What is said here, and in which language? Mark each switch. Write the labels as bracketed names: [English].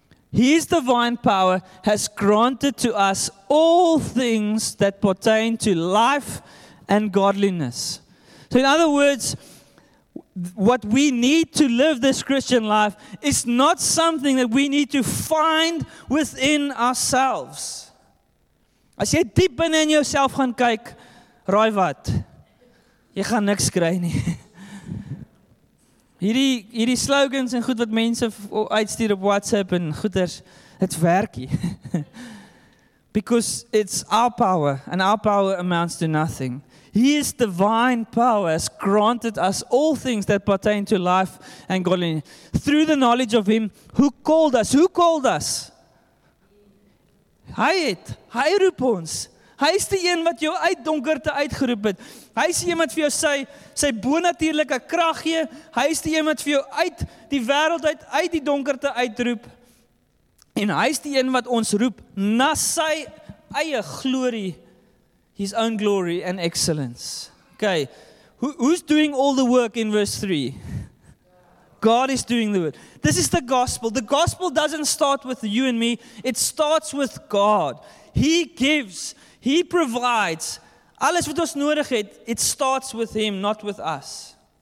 [English] His divine power has granted to us all things that pertain to life and godliness. So in other words, what we need to live this Christian life is not something that we need to find within ourselves. [Afrikaans] As jy diep binne in jouself gaan kyk, raai wat? Jy gaan niks kry nie. Hierdie slogans en goed wat mense uitstuur op WhatsApp en goeders, het werkie. [English] Because it's our power, and our power amounts to nothing. His divine power has granted us all things that pertain to life and godliness. Through the knowledge of Him who called us. Who called us? [Afrikaans] Hy het. Hy roep ons. Hy is die een wat jou uit donkerte uitgeroep het. Hy is die een wat vir jou sy bonatuurlike krag gee. Hy is die een wat vir jou uit die wêreld uit die donkerte uitroep. En hy is die een wat ons roep na sy eie glorie. [English] His own glory and excellence. Okay, who's doing all the work in verse 3? God is doing the work. This is the gospel. The gospel doesn't start with you and me. It starts with God. He gives. He provides. [Afrikaans] Alles wat ons nodig het, [English] it starts with Him, not with us.